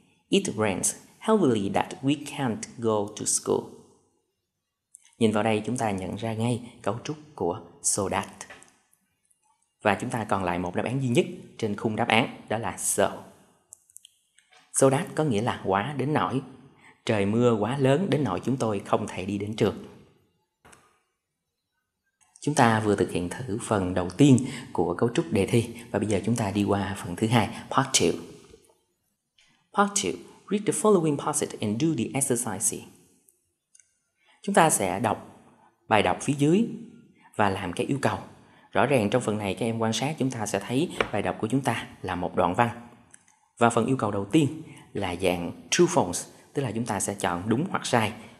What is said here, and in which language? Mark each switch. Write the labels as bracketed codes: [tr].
[en] It rains heavily that we can't go to school. [vi] Nhìn vào đây chúng ta nhận ra ngay cấu trúc của so that. Và chúng ta còn lại một đáp án duy nhất trên khung đáp án đó là so. So that có nghĩa là quá đến nỗi. Trời mưa quá lớn đến nỗi chúng tôi không thể đi đến trường. Chúng ta vừa thực hiện thử phần đầu tiên của cấu trúc đề thi. Và bây giờ chúng ta đi qua phần thứ hai, part 2. [en] Part 2. Read the following passage and do the exercise. [vi] Chúng ta sẽ đọc bài đọc phía dưới và làm cái yêu cầu. Rõ ràng trong phần này các em quan sát chúng ta sẽ thấy bài đọc của chúng ta là một đoạn văn. Và phần yêu cầu đầu tiên là dạng true false, tức là chúng ta sẽ chọn đúng hoặc sai.